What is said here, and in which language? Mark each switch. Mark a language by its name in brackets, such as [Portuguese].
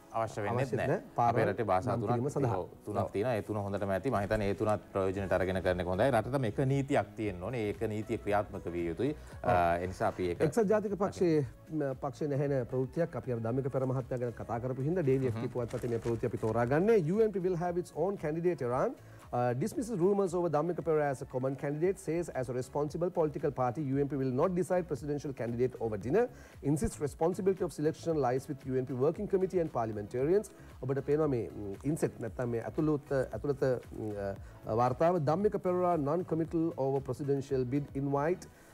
[Sinhala] අවශ්‍ය වෙන්නේ නැහැ. අපේ රටේ භාෂා තුනක් තියෙනවා. ඒ තුන හොඳටම ඇති. මම හිතන්නේ ඒ තුනත් ප්‍රයෝජනට අරගෙන කරන එක හොඳයි. රටතම එක නීතියක් තියෙන්න ඕනේ. ඒක නීතිය ක්‍රියාත්මක විය යුතුයි. ඒ නිසා අපි ඒක එක්සත් ජාතික පක්ෂයේ නැහැ නේ ප්‍රවෘත්තියක් අපි අර ධම්මික පෙර මහත්තයා ගැන කතා කරපු හින්දා ඩේලි එෆ්ටී පුවත්පතේ මේ ප්‍රවෘත්ති අපි තෝරා ගන්නේ. [English] UNP will have its own candidate Iran. Dismisses rumors over Dhammika Pera as a common candidate, says as a responsible political party, UNP will not decide presidential candidate over dinner, insists responsibility of selection lies with UNP working committee and parliamentarians. [Sinhala] ඔබට පේනවා මේ ඉන්සෙට් නැත්තම් මේ ඇතුළත වාර්තාව Dhammika Perera [English] non-committal over presidential bid invite.